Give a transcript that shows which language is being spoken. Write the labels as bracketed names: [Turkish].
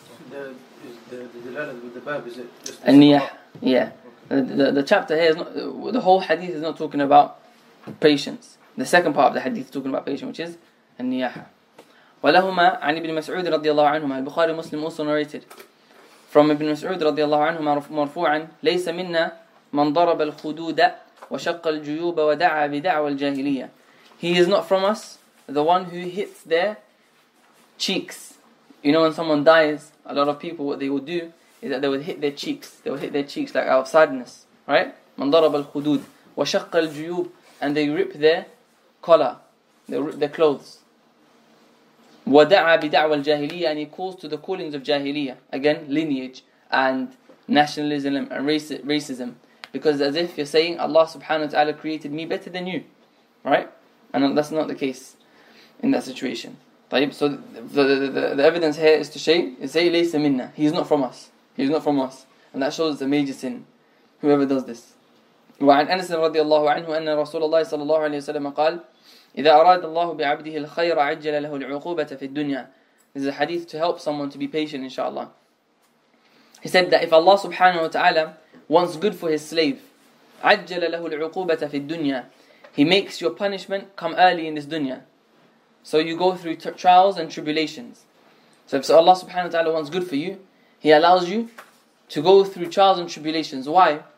[English] The dilalat with the bab, is it just a niyah? Yeah. The chapter here is not, the whole hadith is not talking about patience. The second part of the hadith is talking about patience, which is an-niyaha. [Arabic] وَلَهُمَا عَنِ بِالْمَسْعُودِ رَضِيَ اللَّهُ عَنْهُمَا البخاري مسلم [English] also narrated [Arabic] from Ibn Mas'ud رضي الله عنه مرفوعا ليس منا من ضرب الخدود وشق الجيوب ودعا بدعوى الجاهلية. [English] He is not from us the one who hits their cheeks. You know, when someone dies, a lot of people, what they will do is that they will hit their cheeks. They will hit their cheeks like out of sadness, right? [Arabic] من ضرب الخدود وشق الجيوب, [English] and they rip their collar, they rip their clothes. [Arabic] ودعا بدعوى الجاهلية, [English] and he calls to the callings of جاهلية, again lineage and nationalism and racism, because as if you're saying Allah subhanahu wa ta'ala created me better than you, right? And that's not the case in that situation. طيب, so the evidence here is to say [Arabic] ليس منا, [English] he's not from us, and that shows it's a major sin whoever does this. [Arabic] وعن أنس رضي الله عنه أن رسول الله صلى الله عليه وسلم قال إذا أراد الله بعبده الخير عجل له العقوبة في الدنيا. [English] This is a hadith to help someone to be patient, inshallah. He said that if Allah subhanahu wa ta'ala wants good for his slave, [Arabic] عجل له العقوبة في الدنيا, [English] he makes your punishment come early in this dunya. So you go through trials and tribulations. So if Allah subhanahu wa ta'ala wants good for you, he allows you to go through trials and tribulations. Why?